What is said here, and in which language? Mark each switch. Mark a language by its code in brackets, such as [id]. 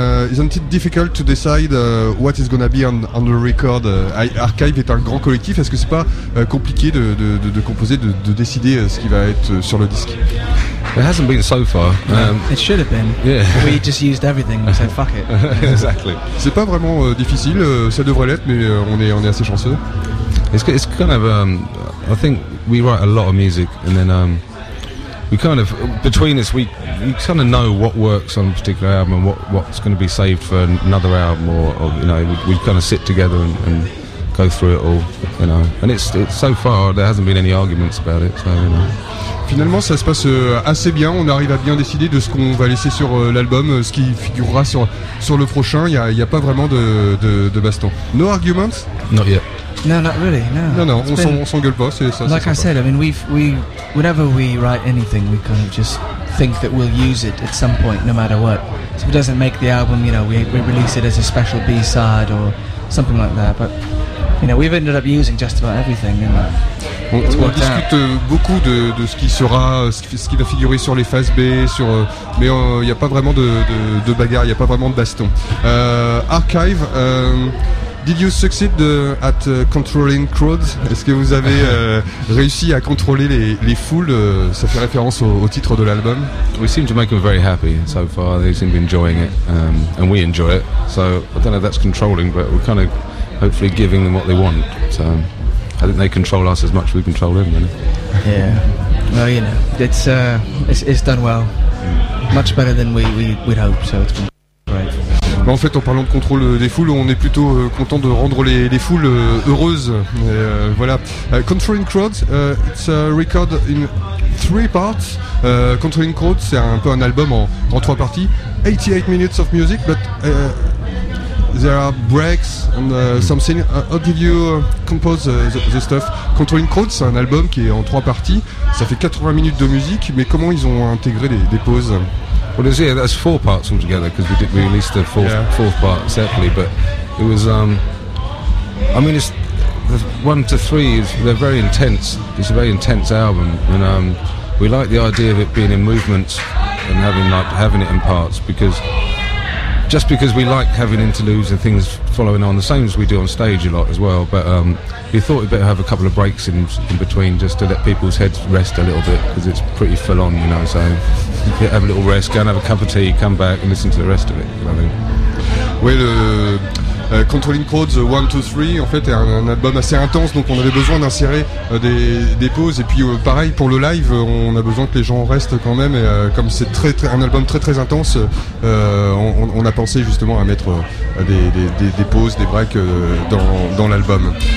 [en] Isn't it difficult to decide what is going to be on the record? [fr] Archive est un grand collectif. Est-ce que c'est pas compliqué de composer de décider ce qui va être sur le disque? [en] It hasn't been so far. It should have been. Yeah. We just used everything and said fuck it. Exactly. [fr] C'est pas vraiment difficile, ça devrait l'être, mais on est assez chanceux. [en] It's kind of I think we write a lot of music and then we kind of between us we kind of know what works on a particular album and what's going to be saved for another album or you know we kind of sit together and go through it all, you know. And it's so far there hasn't been any arguments about it, so you know. [fr] Finalement ça se passe assez bien, on arrive à bien décider de ce qu'on va laisser sur l'album, ce qui figurera sur le prochain, il y a pas vraiment de baston. [en] No arguments? Not yet. No, not really. No. [fr] No, no, on s'engueule pas, c'est ça. [en] Like [fr] c'est [en] I said, I mean we whenever we write anything, we kind of just think that we'll use it at some point no matter what. So if it doesn't make the album, you know, we release it as a special B-side or something like that, but you know, we've ended up using just about everything, you know. [fr] On discute beaucoup de ce qui sera, ce qui va figurer sur les faces B, mais il n'y a pas vraiment de bagarre, il n'y a pas vraiment de baston. [en] Archive, did you succeed at controlling crowds? [fr] Est-ce que vous avez réussi à contrôler les foules? Ça fait référence au titre de l'album. [en] We seem to make them very happy so far. They seem to be enjoying it, and we enjoy it. So I don't know if that's controlling, but we're kind of hopefully giving them what they want. So. I think they control us as much as we control them, really. Yeah. Well, you know, it's done well. Much better than we'd hoped, so it's been great. [fr] Bah en fait, en parlant de contrôle des foules, on est plutôt content de rendre les foules heureuses. Et voilà. [en] Controlling Crowds, it's a record in three parts. [fr] Controlling Crowds, c'est un peu un album en trois parties. [en] 88 minutes of music, but there are breaks and something. How did you compose the stuff? [fr] Controlling Crowds, c'est un album qui est en trois parties. Ça fait 80 minutes de musique, mais comment ils ont intégré des pauses? [en] Well, it's, yeah, that's four parts altogether because we did release the fourth part separately. But it was, it's the one to three is they're very intense. It's a very intense album, and we like the idea of it being in movements and having it in parts because we like having interludes and things following on, the same as we do on stage a lot as well. But we thought we'd better have a couple of breaks in between just to let people's heads rest a little bit because it's pretty full on, you know. So. Have a little rest, go and have a cup of tea, come back and listen to the rest of it. You know. [fr] Well, Controlling Crowds 1, 2, 3 en fait est un album assez intense, donc on avait besoin d'insérer des pauses. Et puis pareil pour le live, on a besoin que les gens restent quand même. Et comme c'est très, très, un album très très intense, on a pensé justement à mettre des pauses, des breaks dans l'album.